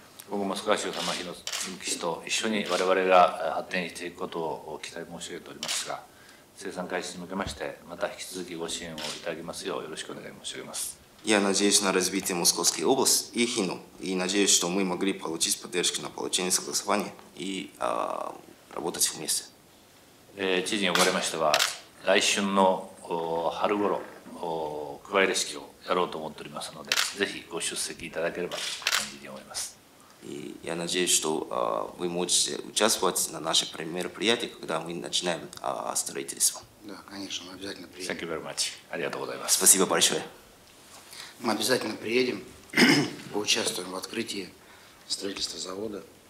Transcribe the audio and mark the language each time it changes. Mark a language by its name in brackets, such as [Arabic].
[Japanese] 僕も少し様日の近畿市と一緒に我々が発展していくことを期待申し上げておりますが、生産開始に向けまして、また引き続きご支援をいただきますようよろしくお願い申し上げます。 [Russian] Я надеюсь на развитие Московской области и Хино, и надеюсь, что мы могли получить поддержку на получение согласования и работать вместе. [Japanese] 知事におかれましては、来春の春ごろ、区外レスキューをやろうと思っておりますので、ぜひご出席いただければと思います。 [Russian] Я надеюсь, что вы можете участвовать на нашем мероприятии, когда мы начинаем строительство. Да, конечно, мы обязательно приедем. [English] Thank you very much. [Russian] Спасибо большое. Мы обязательно приедем, поучаствуем в открытии строительства завода.